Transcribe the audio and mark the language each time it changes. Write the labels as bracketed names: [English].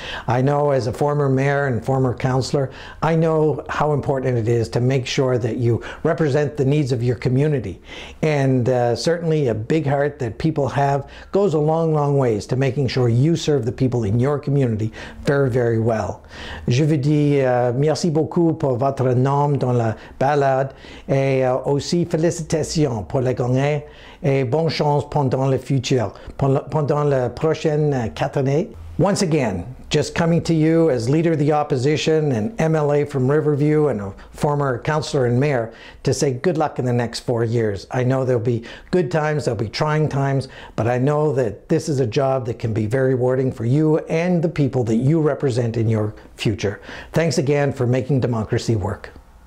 [English] I know as a former mayor and former councillor, I know how important it is to make sure that you represent the needs of your community, and certainly a big heart that people have goes a long, long ways to making sure you serve the people in your community very, very well. [French] Je vous dis merci beaucoup pour votre nom dans la ballade et aussi félicitations pour les gagnants et bonne chance pendant le futur, pendant la prochaine quatre années. [English] Once again, just coming to you as leader of the opposition and MLA from Riverview and a former councillor and mayor to say good luck in the next 4 years. I know there'll be good times, there'll be trying times, but I know that this is a job that can be very rewarding for you and the people that you represent in your future. Thanks again for making democracy work.